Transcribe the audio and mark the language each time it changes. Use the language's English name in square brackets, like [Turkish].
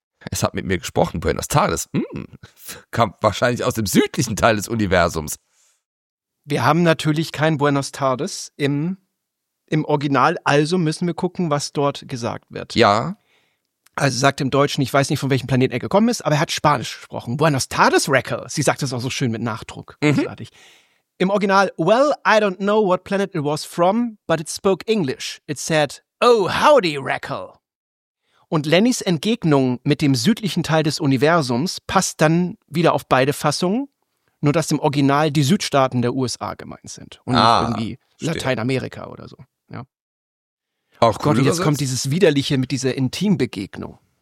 [German] Es hat mit mir gesprochen, [Spanish] Buenos Tardes. [German] Kam wahrscheinlich aus dem südlichen Teil des Universums. Wir haben natürlich kein [Spanish] Buenos Tardes [German] im Original, also müssen wir gucken, was dort gesagt wird. Ja. Also sagt im Deutschen, ich weiß nicht, von welchem Planeten er gekommen ist, aber er hat Spanisch gesprochen. [Spanish] Buenos Tardes, [German] Wrecker. Sie sagt das auch so schön mit Nachdruck. Großartig. Mhm. Im Original, [English] well, I don't know what planet it was from, but it spoke English. It said, oh, howdy, Wrecker. [German] Und Lennys Entgegnung mit dem südlichen Teil des Universums passt dann wieder auf beide Fassungen, nur dass im Original die Südstaaten der USA gemeint sind und nicht irgendwie Lateinamerika oder so. Ja. Auch Gott, und jetzt kommt dieses Widerliche mit dieser Intimbegegnung.